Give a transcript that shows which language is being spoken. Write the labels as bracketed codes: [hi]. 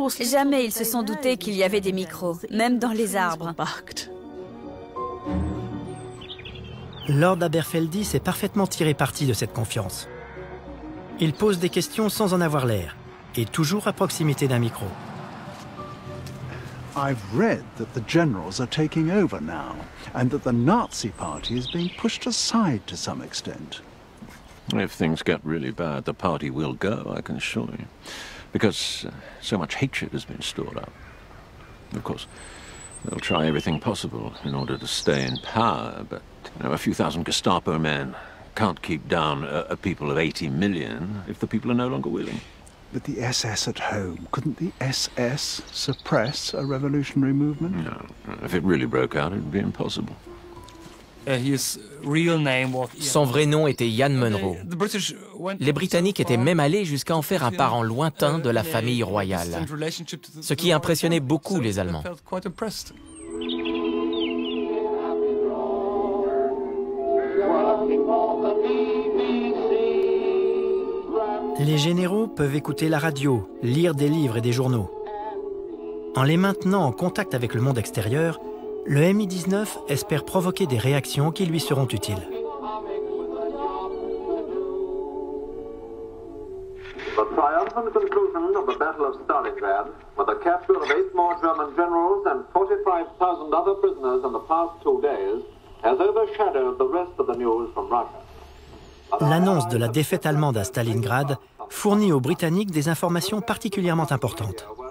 [fr] Jamais ils se sont doutés qu'il y avait des micros, même dans les arbres. Lord Aberfeldy s'est parfaitement tiré parti de cette confiance. Il pose des questions sans en avoir l'air, et toujours à proximité d'un micro. [en] I've read that the generals are taking over now, and that the Nazi party is being pushed aside to some extent. If things get really bad, the party will go, I can assure you. Because so much hatred has been stored up. Of course, they'll try everything possible in order to stay in power, but you know, a few thousand Gestapo men can't keep down a people of 80 million if the people are no longer willing. But the SS at home, couldn't the SS suppress a revolutionary movement? No, if it really broke out, it'd be impossible. His real name was... [fr] Son vrai nom était Ian Munro. Les Britanniques étaient même allés jusqu'à en faire un parent lointain de la famille royale, ce qui impressionnait beaucoup les Allemands. Les généraux peuvent écouter la radio, lire des livres et des journaux. En les maintenant en contact avec le monde extérieur, le MI-19 espère provoquer des réactions qui lui seront utiles. [en] The triumphant conclusion of the Battle of Stalingrad, with the capture of 8 more German generals and 45,000 other prisoners in the past 2 days, has overshadowed the rest of the news from Russia. [fr] L'annonce de la défaite allemande à Stalingrad fournit aux Britanniques des informations particulièrement importantes.